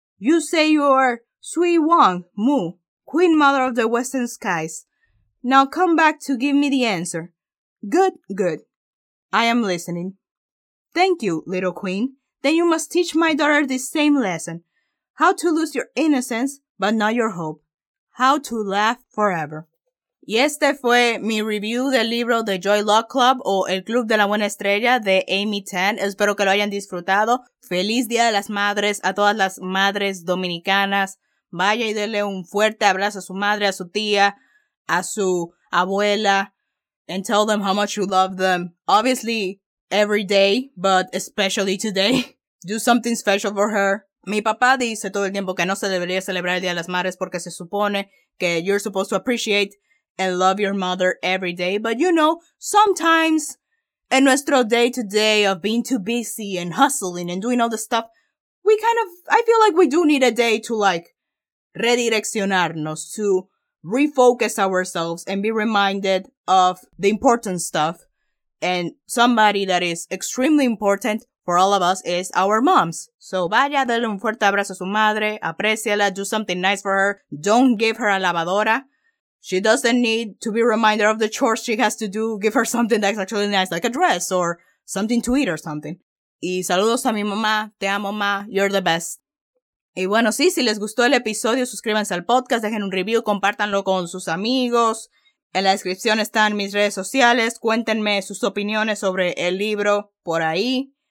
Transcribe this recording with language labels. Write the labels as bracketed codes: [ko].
[en] You say you are Sui Wang Mu, Queen Mother of the Western Skies. Now come back to give me the answer. Good, good. I am listening. Thank you, little queen. Then you must teach my daughter this same lesson. How to lose your innocence, but not your hope. How to laugh forever. [es] Y este fue mi review del libro The Joy Luck Club o El Club de la Buena Estrella de Amy Tan. Espero que lo hayan disfrutado. Feliz Día de las Madres a todas las madres dominicanas. Vaya y denle un fuerte abrazo a su madre, a su tía, a su abuela. [en] And tell them how much you love them. Obviously, every day, but especially today. Do something special for her. [es] Mi papá dice todo el tiempo que no se debería celebrar el Día de las Madres porque se supone que [en] you're supposed to appreciate and love your mother every day. But you know, sometimes in nuestro day-to-day of being too busy and hustling and doing all the stuff, I feel like we do need a day to like redireccionarnos, to refocus ourselves and be reminded of the important stuff. And somebody that is extremely important for all of us is our moms. So [es] vaya, dale un fuerte abrazo a su madre, apreciala, [en] do something nice for her, don't give her a lavadora. She doesn't need to be reminded of the chores she has to do, give her something that's actually nice, like a dress or something to eat or something. [es] Y saludos a mi mamá, te amo mamá, [en] you're the best. [es] Y bueno, sí, si les gustó el episodio, suscríbanse al podcast, dejen un review, compártanlo con sus amigos. En la descripción están mis redes sociales. Cuéntenme sus opiniones sobre el libro por ahí.